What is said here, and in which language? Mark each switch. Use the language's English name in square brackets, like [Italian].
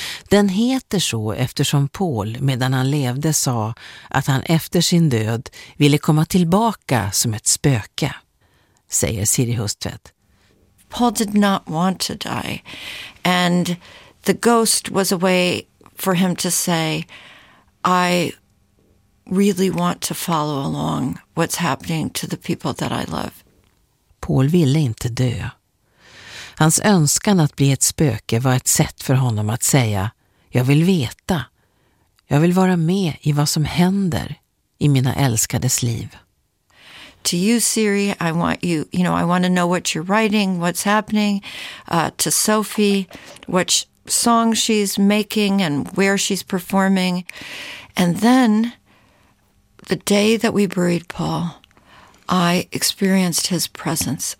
[Swedish] Den heter så eftersom Paul, medan han levde, sa att han efter sin död ville komma tillbaka som ett spöke, säger Siri Hustvedt. [English] Paul did not want to die, and the ghost was a way for him to say, I really want to follow along what's happening to the people that I love. [Swedish] Paul ville inte dö. Hans önskan att bli ett spöke var ett sätt för honom att säga, jag vill veta. Jag vill vara med i vad som händer i mina älskades liv. [English] To you, Siri, I want you, you know, I want to know what you're writing, what's happening. To Sophie, which song she's making and where she's performing. And then, the day that we buried Paul, I experienced his presence.